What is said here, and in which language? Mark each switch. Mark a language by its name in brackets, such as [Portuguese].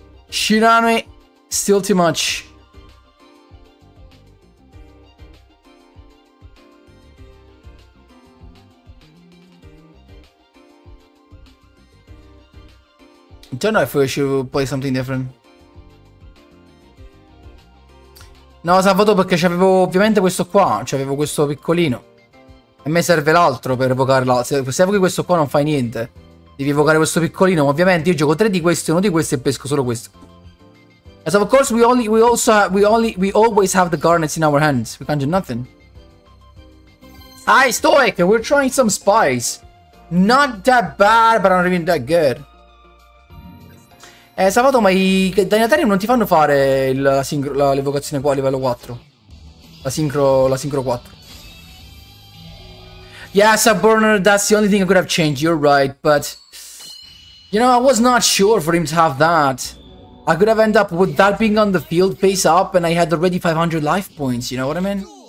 [English] Shirame, still too much. I don't know if we should play something different. [Italian] No, salvato perché c'avevo ovviamente questo qua, c'avevo questo piccolino. A me serve l'altro per evocare l'altro. Se evochi questo qua non fai niente. Devi evocare questo piccolino. Ma ovviamente io gioco tre di questi, uno di questi e pesco solo questo. [English] As of course we always have the garnets in our hands. We can't do nothing. Hi Stoic! We're trying some spice. Not that bad, but not even that good. [Italian] Salvato, ma i Dainatari non ti fanno fare l'evocazione qua a livello 4. La sincro 4. [English] Yeah, Subburner, that's the only thing I could have changed, you're right, but... You know, I was not sure for him to have that. I could have ended up with that being on the field face up and I had already 500 life points, you know what I mean?